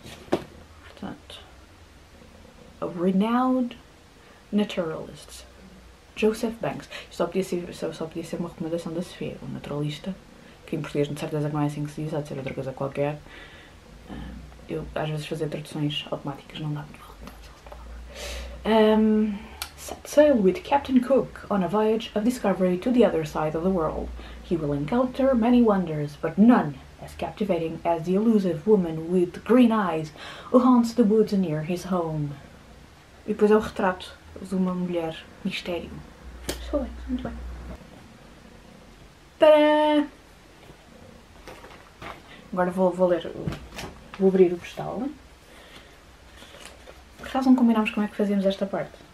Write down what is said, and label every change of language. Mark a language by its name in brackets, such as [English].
[Portuguese] Portanto, [English] a renowned naturalist, Joseph Banks. [Portuguese] Só podia ser uma recomendação da Sofia, um naturalista, que em português de certeza não é assim que se diz, há de ser outra coisa qualquer. Eu às vezes fazer traduções automáticas não dá muito mal. [English] Set sail with Captain Cook on a voyage of discovery to the other side of the world. He will encounter many wonders, but none as captivating as the elusive woman with green eyes who haunts the woods near his home. [Portuguese] E depois é o retrato de uma mulher mistério. Muito bem, muito bem. Tadá! Agora vou ler, vou abrir o postal. Por acaso não combinámos como é que fazíamos esta parte.